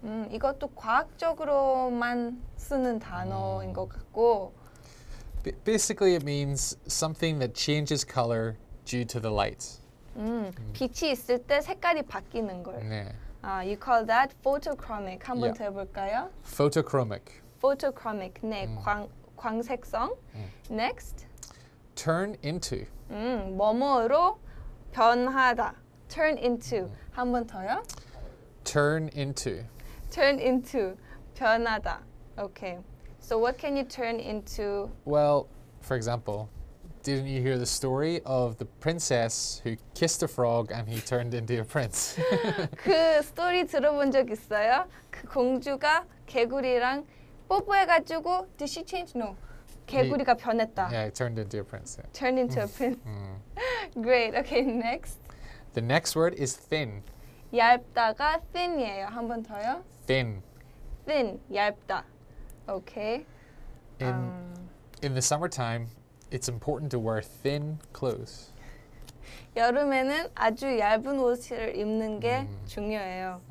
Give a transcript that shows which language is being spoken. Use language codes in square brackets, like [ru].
[ko] 이것도 과학적으로만 쓰는 단어인 것 같고. [en] Basically, it means something that changes color due to the light. [ko] 빛이 있을 때 색깔이 바뀌는 걸. 네. [en] 아, you call that photochromic. [ko] 한번 더 해볼까요? [en] Photochromic. [ko] Photochromic. 네, 광색성. [en] Next. Turn into. [ko] 뭐뭐로 변하다. Turn into. 한 번 더요. [en] Turn into. Turn into. 변하다. Okay. So what can you turn into? Well, for example, didn't you hear the story of the princess who kissed a frog and he turned into a prince? [ko] 그 스토리 들어본 적 있어요? 그 공주가 개구리랑 뽀뽀해가지고 [en] did she change? No. [ko] 개구리가 he, 변했다. [en] Yeah, it turned into a prince. Turned into a prince. Great. Okay, next. The next word is thin. [ko] 얇다가 thin이에요. 한 번 더요. [en] Thin. Thin. 얇다. Okay. In the summertime, it's important to wear thin clothes. [ko] 여름에는 아주 얇은 옷을 입는 게 중요해요.